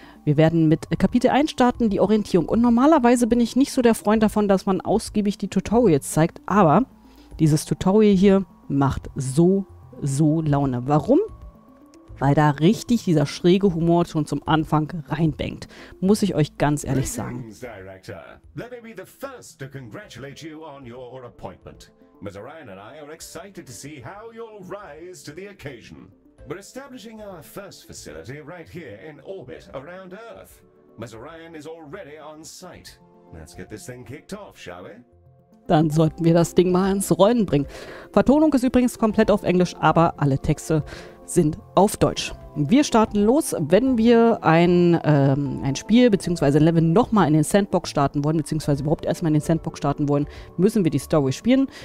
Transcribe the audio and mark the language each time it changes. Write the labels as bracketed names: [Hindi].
[German] Wir werden mit Kapitel 1 starten, die Orientierung. Und normalerweise bin ich nicht so der Freund davon, dass man ausgiebig die Tutorials zeigt. Aber dieses Tutorial hier macht so, so Laune. Warum? Weil da richtig dieser schräge Humor schon zum Anfang reinbängt. Muss ich euch ganz ehrlich sagen. [English] Let me be the first to congratulate you on your appointment. Ms. Orion and I are excited to see how you'll rise to the occasion. We're establishing our first facility right here in orbit around Earth. Ms. Orion is already on site. Let's get this thing kicked off, shall we? [German] Dann sollten wir das Ding mal ins Rollen bringen. Vertonung ist übrigens komplett auf Englisch, aber alle Texte sind auf Deutsch. Wir starten los, wenn wir ein Spiel bzw. Level nochmal in den Sandbox starten wollen, bzw. überhaupt erstmal in den Sandbox starten wollen, müssen wir die Story spielen.